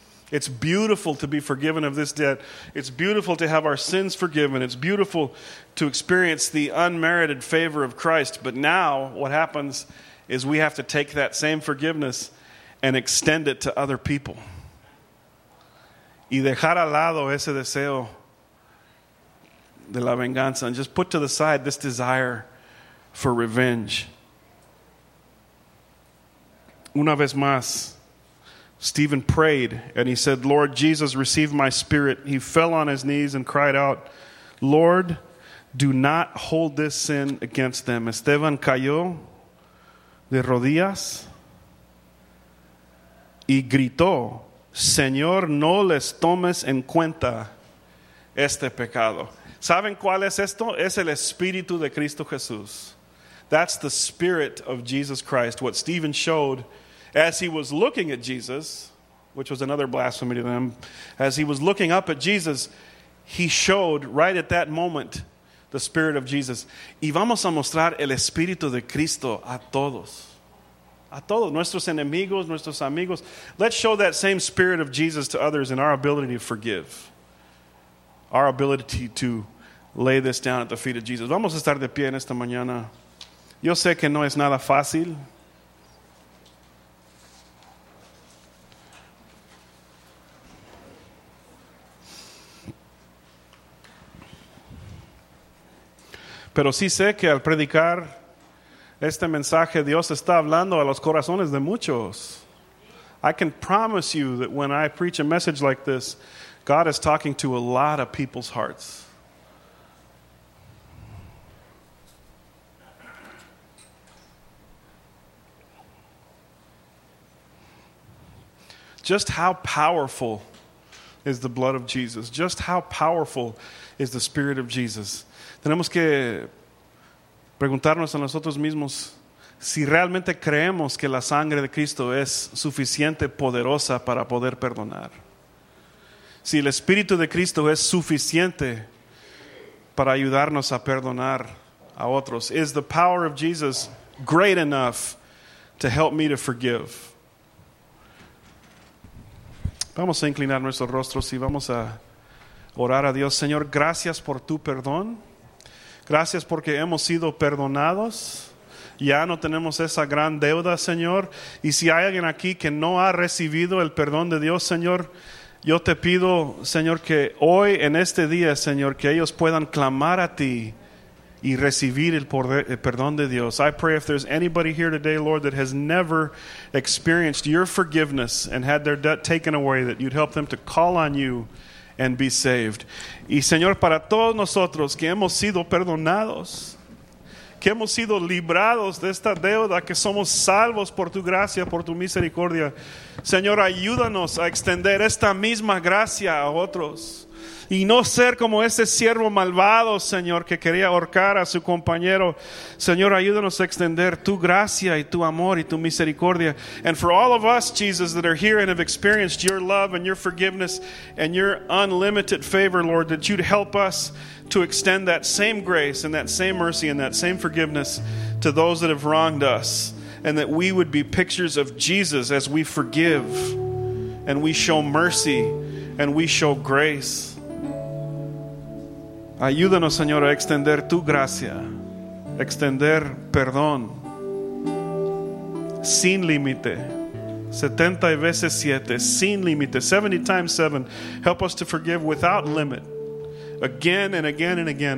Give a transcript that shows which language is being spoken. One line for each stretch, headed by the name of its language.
English: It's beautiful to be forgiven of this debt. It's beautiful to have our sins forgiven. It's beautiful to experience the unmerited favor of Christ. But now, what happens is we have to take that same forgiveness and extend it to other people.
Spanish: Y dejar al lado ese deseo de la venganza.
English: And just put to the side this desire for revenge.
Spanish: Una vez más,
English: Stephen prayed and he said, Lord Jesus, receive my spirit. He fell on his knees and cried out, Lord, do not hold this sin against them.
Spanish: Esteban cayó de rodillas y gritó, Señor, no les tomes en cuenta este pecado. ¿Saben cuál es esto? Es el Espíritu de Cristo Jesús.
English: That's the Spirit of Jesus Christ. What Stephen showed as he was looking at Jesus, which was another blasphemy to them, as he was looking up at Jesus, he showed right at that moment the Spirit of Jesus.
Spanish: Y vamos a mostrar el Espíritu de Cristo a todos. A todos, nuestros enemigos, nuestros amigos.
English: Let's show that same spirit of Jesus to others in our ability to forgive. Our ability to lay this down at the feet of Jesus.
Spanish: Vamos a estar de pie en esta mañana. Yo sé que no es nada fácil. Pero sí sé que al predicar este mensaje, Dios está hablando a los corazones de muchos.
English: I can promise you that when I preach a message like this, God is talking to a lot of people's hearts. Just how powerful is the blood of Jesus? Just how powerful is the Spirit of Jesus?
Spanish: Tenemos que preguntarnos a nosotros mismos si realmente creemos que la sangre de Cristo es suficiente poderosa para poder perdonar. Si el Espíritu de Cristo es suficiente para ayudarnos a perdonar a otros.
English: Is the power of Jesus great enough to help me to forgive?
Spanish: Vamos a inclinar nuestros rostros y vamos a orar a Dios. Señor, gracias por tu perdón. Gracias porque hemos sido perdonados. Ya no tenemos esa gran deuda, Señor. Y si hay alguien aquí que no ha recibido el perdón de Dios, Señor, yo te pido, Señor, que hoy en este día, Señor, que ellos puedan clamar a ti y recibir el poder, el perdón de Dios.
English: I pray if there's anybody here today, Lord, that has never experienced your forgiveness and had their debt taken away, that you'd help them to call on you and be saved.
Spanish: Y Señor, para todos nosotros que hemos sido perdonados, que hemos sido librados de esta deuda, que somos salvos por tu gracia, por tu misericordia, Señor, ayúdanos a extender esta misma gracia a otros. Y no ser como ese siervo malvado, Señor, que quería ahorcar a su compañero. Señor, ayúdanos a extender tu gracia y tu amor y tu misericordia.
English: And for all of us, Jesus, that are here and have experienced your love and your forgiveness and your unlimited favor, Lord, that you'd help us to extend that same grace and that same mercy and that same forgiveness to those that have wronged us. And that we would be pictures of Jesus as we forgive and we show mercy and we show grace.
Spanish: Ayúdanos, Señor, a extender tu gracia, extender perdón sin límite, 70 veces 7, sin límite,
English: 70 times 7. Help us to forgive without limit, again and again and again.